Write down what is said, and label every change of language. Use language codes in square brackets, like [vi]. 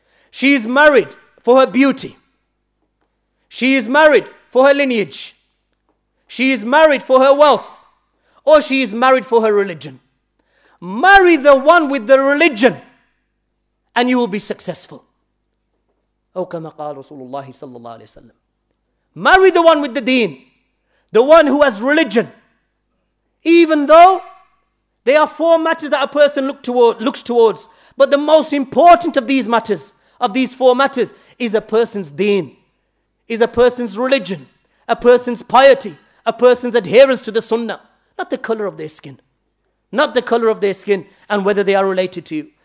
[en] She is married for her beauty. She is married for her lineage. She is married for her wealth. Or she is married for her religion. Marry the one with the religion and you will be successful. [ar] أو كما قال رسول الله صلى الله عليه وسلم. [en] Marry the one with the deen. The one who has religion. Even though there are four matters that a person looks towards. But the most important of these matters, of these four matters, is a person's deen, is a person's religion, a person's piety, a person's adherence to the sunnah, not the color of their skin, not the color of their skin, and whether they are related to you.